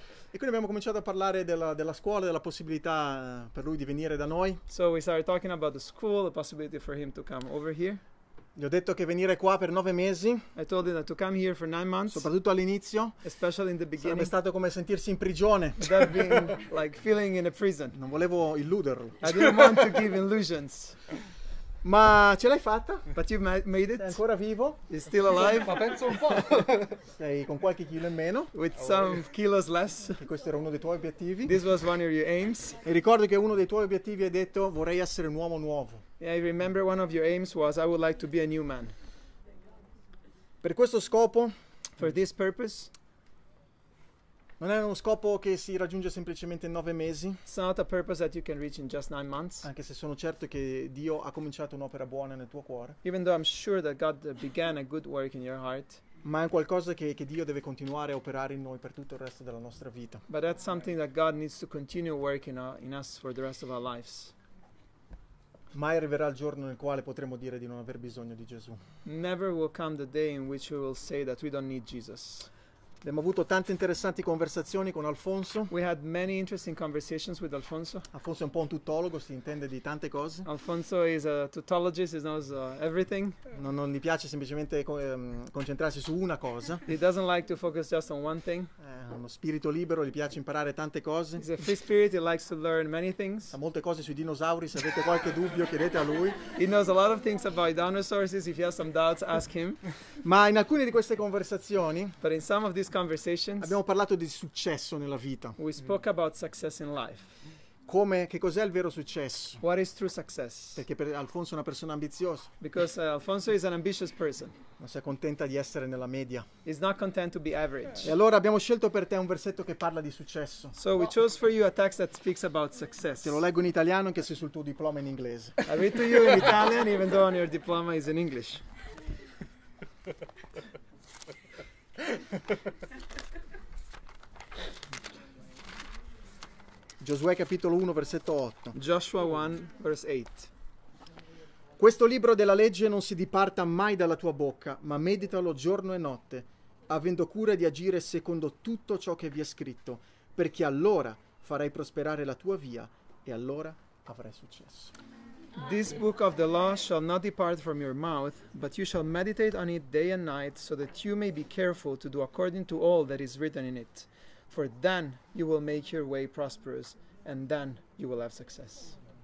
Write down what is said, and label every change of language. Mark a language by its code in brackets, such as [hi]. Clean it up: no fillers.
[it] E quindi abbiamo cominciato a parlare della scuola, della possibilità per lui di venire da noi. [en] So we started talking about the school, the possibility for him to come over here. [it] Gli ho detto che venire qua per 9 mesi. [en] I told him that to come here for 9 months. [it] Soprattutto all'inizio. [en] Especially in the beginning. [it] Sarebbe stato come sentirsi in prigione. [en] That being like feeling in a prison. [it] Non volevo illuderlo. [en] I didn't want to give illusions. [it] Ma ce l'hai fatta? [en] But you made it. [it] È ancora vivo? [en] He's still alive. [it] Ma penso un po'. Sei con qualche chilo in meno. [en] With some kilos less. [it] Che questo era uno dei tuoi obiettivi. [en] This was one of your aims. [it] E ricordo che uno dei tuoi obiettivi hai detto, vorrei essere un uomo nuovo. [en] Yeah, I remember one of your aims was, I would like to be a new man. [it] Per questo scopo. [en] For this purpose. [it] Non è uno scopo che si raggiunge semplicemente in 9 mesi. [en] It's not a purpose that you can reach in just 9 months. [it] Anche se sono certo che Dio ha cominciato un'opera buona nel tuo cuore. [en] Even though I'm sure that God began a good work in your heart. [it] Ma è qualcosa che Dio deve continuare a operare in noi per tutto il resto della nostra vita. [en] But that's something that God needs to continue working in us for the rest of our lives. [it] Mai arriverà il giorno nel quale potremo dire di non aver bisogno di Gesù. [en] Never will come the day in which we will say that we don't need Jesus. [it] Abbiamo avuto tante interessanti conversazioni con Alfonso. [en] We had many interesting conversations with Alfonso. [it] Alfonso è un po' un tuttologo, si intende di tante cose. [en] Alfonso is a tuttologist, he knows everything. [it] Non gli piace semplicemente concentrarsi su una cosa. [en] He doesn't like to focus just on one thing. [it] È uno spirito libero, gli piace imparare tante cose. [en] He's a free spirit, he likes to learn many things. [it] Ha molte cose sui dinosauri, se avete qualche dubbio chiedete a lui. [en] He knows a lot of things about dinosaurs, if you have some doubts ask him. [it] Ma in alcune di queste conversazioni, [en] but in some of these conversations, [it] abbiamo parlato di successo nella vita. [en] We spoke about success in life. [it] Come, che cos'è il vero successo? [en] What is true success? [it] Perché per Alfonso è una persona ambiziosa. [en] Because Alfonso is an ambitious person. [it] Non si è contenta di essere nella media. [en] He's not content to be average. [it] E allora abbiamo scelto per te un versetto che parla di successo. [en] So we chose for you a text that speaks about success. [it] Te lo leggo in italiano anche se sul tuo diploma è in inglese. [en] I read to you in Italian even though on your diploma is in English. [it] Giosuè capitolo 1 versetto 8. [en] Joshua 1 verse 8. [it] Questo libro della legge non si diparta mai dalla tua bocca, ma meditalo giorno e notte, avendo cura di agire secondo tutto ciò che vi è scritto, perché allora farai prosperare la tua via e allora avrai successo. [en] This book of the law shall not depart from your mouth, but you shall meditate on it day and night, so that you may be careful to do according to all that is written in it. For then you will make your way prosperous, and then you will have success.